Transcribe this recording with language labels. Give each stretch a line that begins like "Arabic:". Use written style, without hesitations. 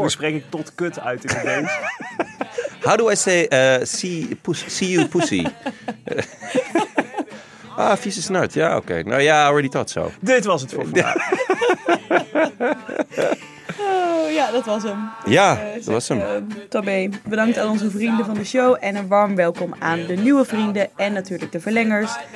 Dutch: Hoe spreek ik tot kut uit in het Deens?
English: How do I say see you pussy?
Dutch: Ah, vieze snart. Ja, oké. Okay. Nou ja,
English: already thought so.
Dutch: Dit was het voor vandaag. Ja, dat was hem. Ja, dat was hem. Tabé, bedankt aan onze vrienden van de show. En een warm welkom aan de nieuwe vrienden. En natuurlijk de verlengers.